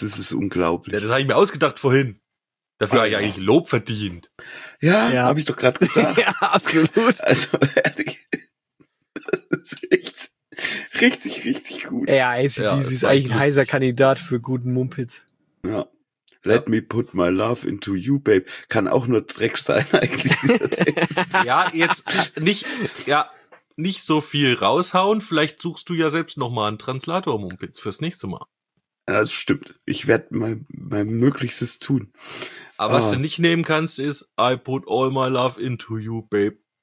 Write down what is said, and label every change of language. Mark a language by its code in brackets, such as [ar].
[de] Das ist unglaublich. Ja, das habe ich mir ausgedacht vorhin. Dafür habe ich eigentlich Lob verdient. Ja, ja. Habe ich doch gerade gesagt. Ja, absolut. Also, ehrlich. Das ist echt richtig, richtig gut. Ja, AC/DC ist eigentlich lustig. Ein heißer Kandidat für guten Mumpitz. Ja. [en] Let me put my love into you, babe. [de] Kann auch nur Dreck sein, eigentlich, dieser Text. Ja, jetzt nicht so viel raushauen. Vielleicht suchst du ja selbst nochmal einen Translator-Mumpitz fürs nächste Mal. Das stimmt. Ich werde mein Möglichstes tun. Aber was du nicht nehmen kannst, ist [en] I put all my love into you, babe.